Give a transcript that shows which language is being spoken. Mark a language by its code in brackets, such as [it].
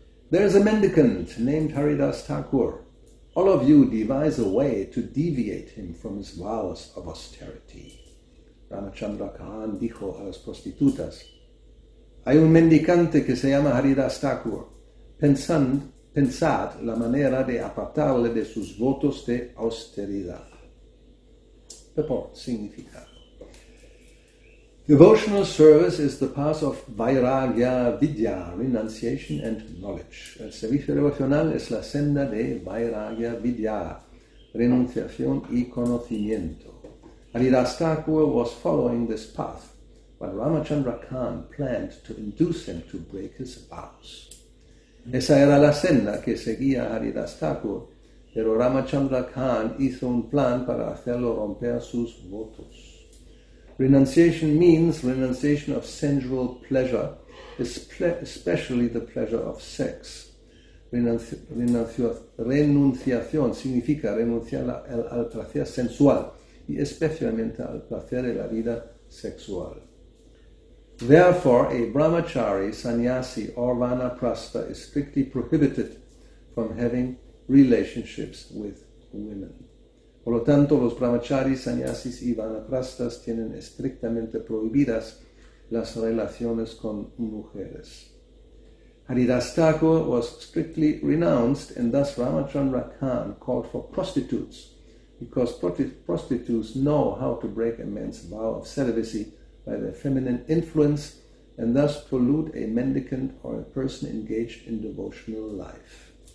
[en] There is a mendicant named Haridas Thakur. All of you devise a way to deviate him from his vows of austerity. [es] Ramachandra Khan dijo a las prostitutas, hay un mendicante que se llama Haridas Thakur. Pensad la manera de apartarle de sus votos de austeridad. [en] Purport, [es] significado. [en] Devotional service is the path of vairagya vidya, renunciation and knowledge. [es] El servicio devocional es la senda de vairagya vidya, renunciación y conocimiento. [en] Haridas Thakur was following this path, while Ramachandra Khan planned to induce him to break his vows. [es] Esa era la senda que seguía Haridas Thakur, pero Ramachandra Khan hizo un plan para hacerlo romper sus votos. [en] Renunciation means renunciation of sensual pleasure, especially the pleasure of sex. [es] Renunciación significa renunciar al placer sensual, y especialmente al placer de la vida sexual. [en] Therefore, a brahmachari, sannyasi, or vanaprastha is strictly prohibited from having relationships with women. [es] Por lo tanto, los brahmacharis, sannyasis y vanaprastas tienen estrictamente prohibidas las relaciones con mujeres. [en] Haridas Thakur was strictly renounced, and thus Ramachandra Khan called for prostitutes, because prostitutes know how to break a man's vow of celibacy by their feminine influence and thus pollute a mendicant or a person engaged in devotional life.